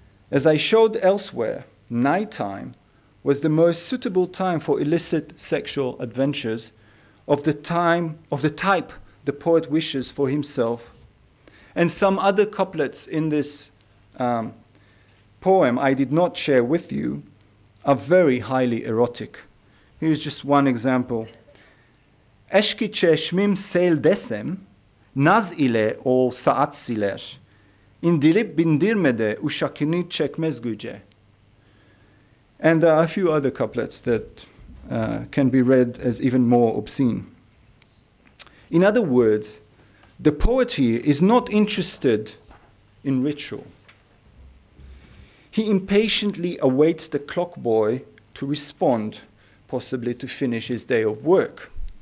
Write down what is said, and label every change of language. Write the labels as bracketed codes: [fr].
[en] As I showed elsewhere, nighttime was the most suitable time for illicit sexual adventures of the type the poet wishes for himself. And some other couplets in this poem I did not share with you are very highly erotic. Here's just one example. [tr] Eşki çeşmim sel desem, naz ile o saat siler, indirip bindirmede uşakını çekmez güce. [en] And there are a few other couplets that can be read as even more obscene. In other words, the poet here is not interested in ritual. He impatiently awaits the clock boy to respond, possibly to finish his day of work.